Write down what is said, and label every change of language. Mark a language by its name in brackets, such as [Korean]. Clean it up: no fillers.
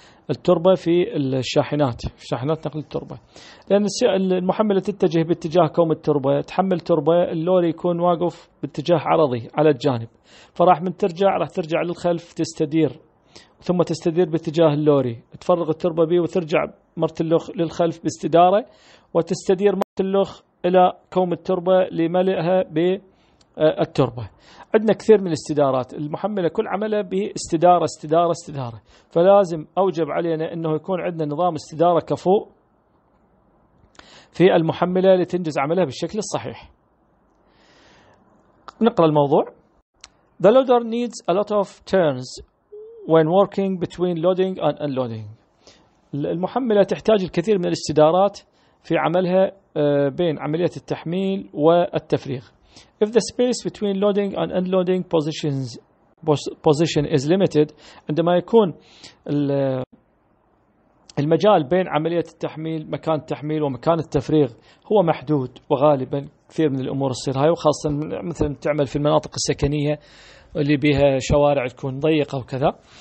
[Arabic] التربة في الشاحنات، في شاحنات نقل التربة، لأن المحملة تتجه باتجاه كوم التربة، تحمل تربة، اللوري يكون واقف باتجاه عرضي على الجانب، فراح من ترجع راح ترجع للخلف تستدير، ثم تستدير باتجاه اللوري، تفرغ التربة به وترجع مرت اللخ للخلف باستدارة، وتستدير مرت اللخ إلى كوم التربة لملئها بالتربة. عندنا كثير من الاستدارات، المحملة كل عملها باستدارة استدارة استدارة، فلازم أوجب علينا أنه يكون عندنا نظام استدارة كفوء في المحملة لتنجز عملها بالشكل الصحيح. نقرأ الموضوع. [English] The loader needs a lot of turns when working between loading and unloading. [Arabic] المحملة تحتاج الكثير من الاستدارات في عملها بين عملية التحميل والتفريغ. [English] If the space between loading and unloading positions position is limited, [Arabic] عندما يكون المجال بين عملية التحميل، مكان التحميل ومكان التفريغ هو محدود، وغالبا كثير من الأمور تصير هاي، وخاصة مثلا تعمل في المناطق السكنية اللي بيها شوارع تكون ضيقة وكذا،